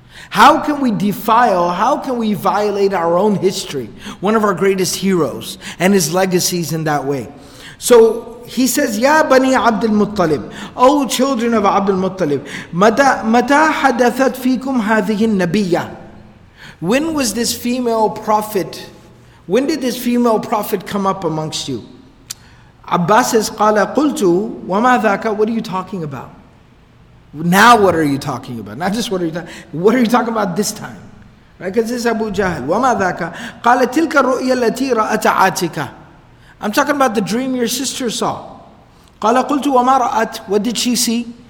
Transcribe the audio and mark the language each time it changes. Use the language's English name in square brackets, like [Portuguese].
[English] How can we defile, how can we violate our own history, one of our greatest heroes, and his legacies in that way? So he says, Ya Bani Abdul Muttalib, O children of Abdul Muttalib, [Arabic] Mata hadathat fikum hadhihi nabiyya. [English] When was this female prophet, when did this female prophet come up amongst you? Abbas says, [Arabic] قَالَ قُلْتُ وَمَا ذَاكَ. [English] What are you talking about? Now what are you talking about? Not just what are you talking about this time? Right, because this is Abu Jahl. [Arabic] وَمَا ذَاكَ. قَالَ تِلْكَ رُؤْيَ الَّتِي رَأَتَ عَاتِكَ. [English] I'm talking about the dream your sister saw. [Arabic] قَالَ قُلْتُ وَمَا رَأَتْ. [English] What did she see?